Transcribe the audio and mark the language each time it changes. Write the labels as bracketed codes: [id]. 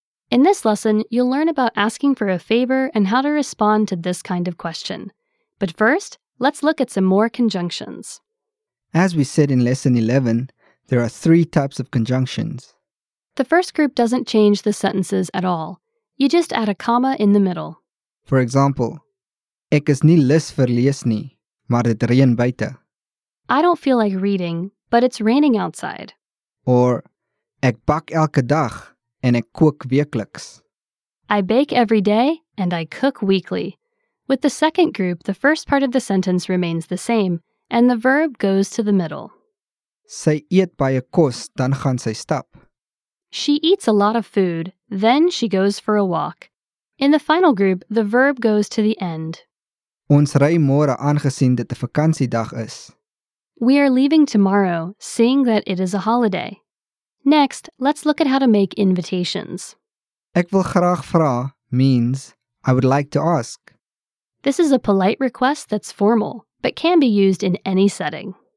[en] In this lesson, you'll learn about asking for a favor and how to respond to this kind of question. But first, let's look at some more conjunctions. As we said in lesson 11, there are three types of conjunctions. The first group doesn't change the sentences at all. You just add a comma in the middle. For example, [af] Ek is nie lus vir lees nie, maar dit reën buite. [en] I don't feel like reading, but it's raining outside. Or, [af] Ek bak elke dag en ek kook weekliks. [en] I bake every day and I cook weekly. With the second group, the first part of the sentence remains the same, and the verb goes to the middle. [af] Sy eet baie kos, dan gaan sy stap. [en] She eats a lot of food, then she goes for a walk. In the final group, the verb goes to the end. [af] Ons ry môre aangesien dit 'n vakansiedag is. [en] We are leaving tomorrow, seeing that it is a holiday. Next, let's look at how to make invitations. [af] Ek wil graag vra [en] means, I would like to ask. This is a polite request that's formal, but can be used in any setting.